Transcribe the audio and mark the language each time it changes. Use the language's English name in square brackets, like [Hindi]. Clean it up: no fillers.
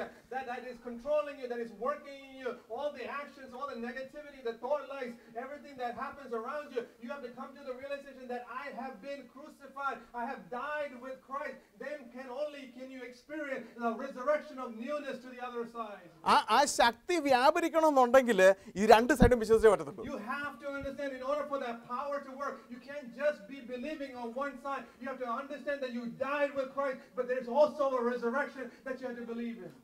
[English] That is controlling you, that is working in you, all the actions, all the negativity, the thought lies, everything that happens around you, you have to come to the realization that I have been crucified, I have died with Christ. Then can only can you experience the resurrection of newness to the other side. [Malayalam] ആ ശക്തി വ്യാപരിക്കണമെന്നുണ്ടെങ്കിൽ ഈ രണ്ട് സൈഡും വിശ്വസിച്ചേ പറ്റത്തുള്ളൂ. [English] You have to understand, in order for that power to work, you can't just be believing on one side. You have to understand that you died with Christ, but there's also a resurrection that you have to believe in.